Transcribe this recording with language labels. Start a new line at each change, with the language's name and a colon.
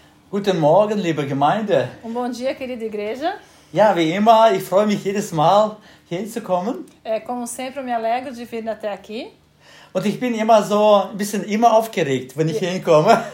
German: Guten Morgen, liebe Gemeinde.
Portuguese: Und bon dia, querida igreja.
German: Ja, wie immer, ich freue mich jedes Mal hinzukommen.
Portuguese: Como sempre, me alegro de vir até aqui.
German: Und ich bin immer so ein bisschen immer aufgeregt, wenn ich hinkomme.